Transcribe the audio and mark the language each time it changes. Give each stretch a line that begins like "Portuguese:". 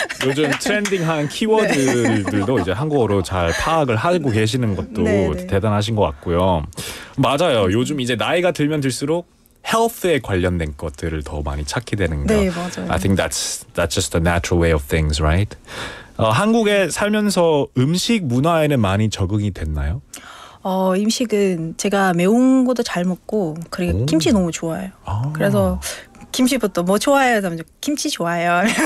Korean: 요즘 트렌딩한 키워드들도 네. 이제 한국어로 잘 파악을 하고 계시는 것도 네. 대단하신 것 같고요. 맞아요. 요즘 이제 나이가 들면 들수록 헬스에 관련된 것들을 더 많이 찾게 되는 거. 네, 맞아요.
English: I think that's just the natural way of things, right?
Korean: 한국에 살면서 음식 문화에는 많이 적응이 됐나요? 음식은 제가 매운 것도 잘 먹고 그리고 김치 너무 좋아해요. 그래서 김치부터 뭐 좋아해요? 김치 좋아해요.